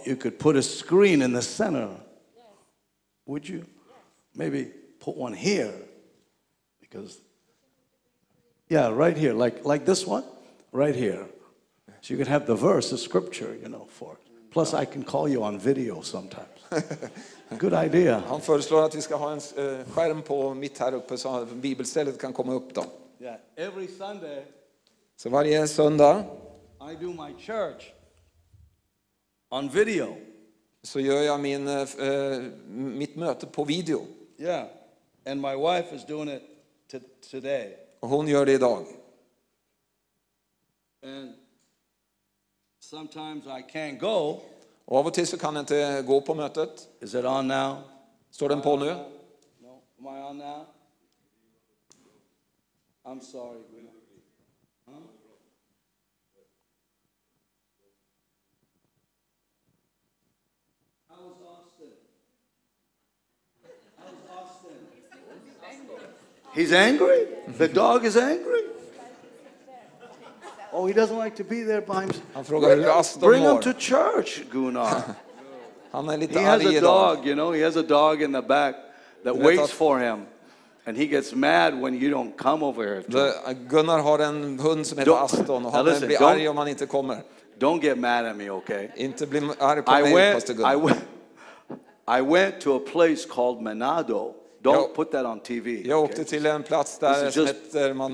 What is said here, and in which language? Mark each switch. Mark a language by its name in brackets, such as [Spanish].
[English] You could put a screen in the center. Would you maybe put one here? Because right here, like this one, right here. So you can have the verse, the scripture, you know, for it. Plus I can call you on video sometimes. Good idea. [Swedish] Han föreslår att vi ska ha en skärm på mitt här uppe så att bibelstället kan komma upp då. [English] Yeah, every Sunday. [Swedish] Så varje söndag. [English] I do my church on video. [Swedish] Så gör jag min mitt möte på video. [English] Yeah, and my wife is doing it today. [Swedish] Och hon gör det idag. [English] And sometimes I can't go. [Swedish] Och av och till så kan jag inte gå på mötet. [English] Is it on now? [Swedish] Står den på nu? [English] No. Am I on now? I'm sorry. How's Austin? He's angry? The dog is angry? Oh, he doesn't like to be there by himself. [Swedish] Han frågar hur Austin mår. [English] Bring him to church, Gunnar. [Swedish] Han är lite arg idag. [English] He has a dog, you know. He has a dog in the back that waits for him, and he gets mad when you don't come over here. [Swedish] Gunnar har en hund som heter Aston, och han blir arg om han inte kommer. [English] Don't get mad at me, okay? [Swedish] Inte bli arg på mig, Pastor Gunnar. [English] I went to a place called Manado. Don't put that on TV. [Swedish] Jag åkte till en plats där heter man